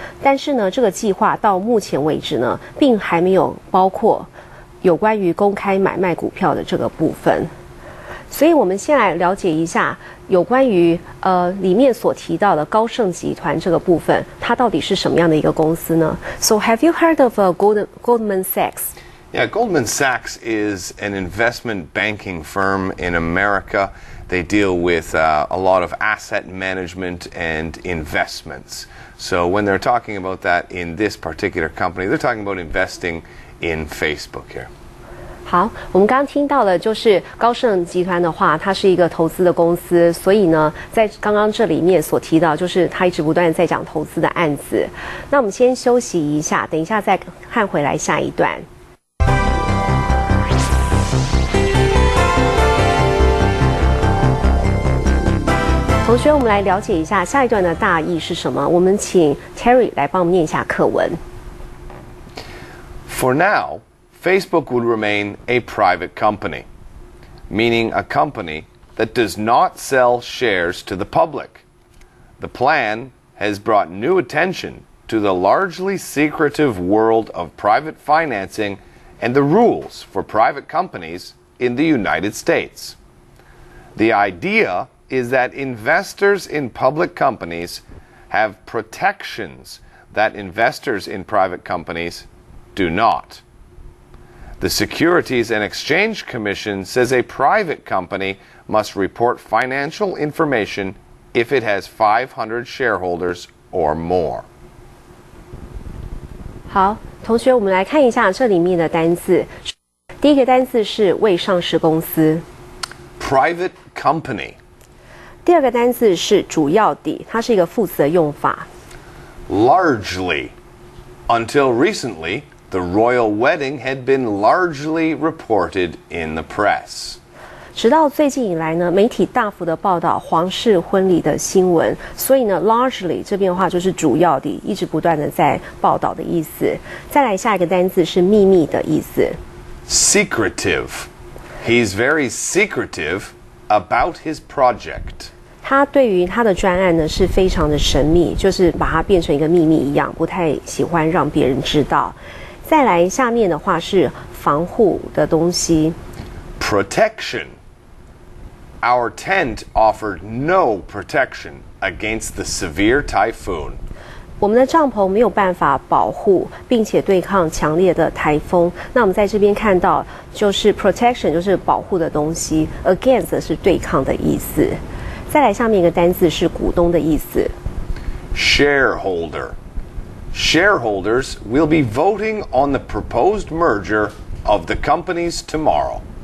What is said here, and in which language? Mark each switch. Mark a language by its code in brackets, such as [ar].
[zh] 但是呢，这个计划到目前为止呢，并还没有包括有关于公开买卖股票的这个部分。所以我们先来了解一下有关于里面所提到的高盛集团这个部分，它到底是什么样的一个公司呢？ [en] So have you heard of Goldman Sachs? Yeah, Goldman Sachs is an investment banking firm in America. They deal with a lot of asset management and investments. So when they're talking about that in this particular company, they're talking about investing in Facebook here. [zh] 好，我们刚听到的就是高盛集团的话，它是一个投资的公司，所以呢，在刚刚这里面所提到，就是它一直不断在讲投资的案子。那我们先休息一下，等一下再看回来下一段。同学，我们来了解一下下一段的大意是什么。我们请 Terry 来帮我们念一下课文。 [en] For now, Facebook would remain a private company, meaning a company that does not sell shares to the public. The plan has brought new attention to the largely secretive world of private financing and the rules for private companies in the United States. The idea is that investors in public companies have protections that investors in private companies do not. The Securities and Exchange Commission says a private company must report financial information if it has 500 shareholders or more. [zh] 好，同学，我们来看一下这里面的单字。第一个单字是未上市公司。 [en] Private company. [zh] 第二个单字是主要的，它是一个副词的用法。 [en] Largely. Until recently, the royal wedding had been largely reported in the press. [zh] 直到最近以来呢，媒体大幅的报道皇室婚礼的新闻，所以呢 ，largely 这边的话就是主要的，一直不断的在报道的意思。再来下一个单字是秘密的意思。 [en] Secretive. He's very secretive about his project. [zh] 他对于他的专案呢是非常的神秘，就是把它变成一个秘密一样，不太喜欢让别人知道。再来下面的话是防护的东西 [en] ，protection. Our tent offered no protection against the severe typhoon. [zh] 我们的帐篷没有办法保护并且对抗强烈的台风。那我们在这边看到，就是 protection 就是保护的东西 ，against 是对抗的意思。再来下面一个单字是股东的意思 [en] ，shareholder。 Shareholders will be voting on the proposed merger of the companies tomorrow.